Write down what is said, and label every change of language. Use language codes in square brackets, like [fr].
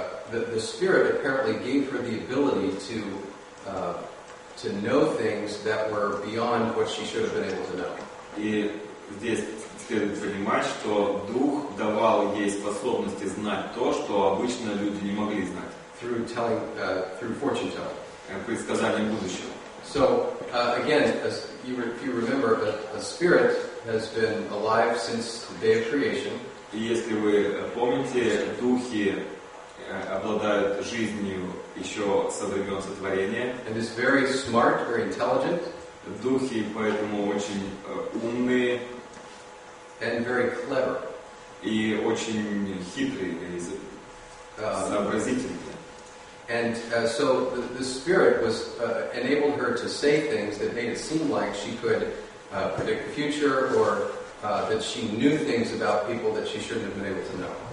[en] The spirit apparently gave her the ability to know things that were beyond what she should have been able to know. [ru] И здесь следует понимать, что дух давал ей способности знать то, что обычно люди не могли знать. [en] Through fortune telling. [ru] Предсказанием будущего. [en] So again, as if you remember, a spirit has been alive since the day of creation. [ru] И если вы помните, духи обладают жизнью еще со времен сотворения. [en] And is very smart, very intelligent. [ru] Духи поэтому очень умные. [en] And very clever. [ru] И очень хитрые и сообразительные. [en] And so the spirit was enabled her to say things that made it seem like she could predict the future or that she knew things about people that she shouldn't have been able to know.